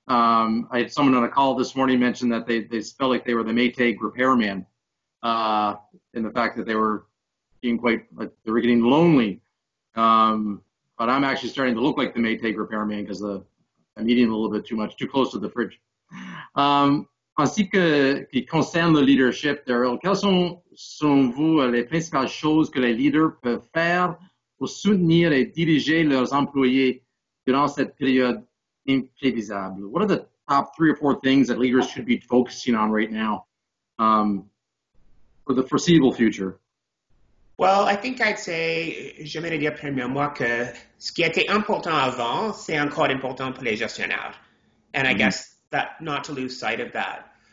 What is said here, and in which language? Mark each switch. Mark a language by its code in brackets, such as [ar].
[en] I had someone on a call this morning mentioned that they felt like they were the Maytag repairman, and the fact that they were being getting lonely. But I'm actually starting to look like the Maytag repairman because I'm eating a little bit too much, too close to the fridge. [fr] En ce qui concerne le leadership, Daryell, quelles sont, selon vous, les principales choses que les leaders peuvent faire pour soutenir et diriger leurs employés durant cette période imprévisible? [en] What are the top three or four things that leaders should be focusing on right now for the foreseeable future? Well, I think I'd say, [fr] j'aimerais dire premièrement que ce qui était important avant, c'est encore important pour les gestionnaires. [en] And I guess that not to lose sight of that.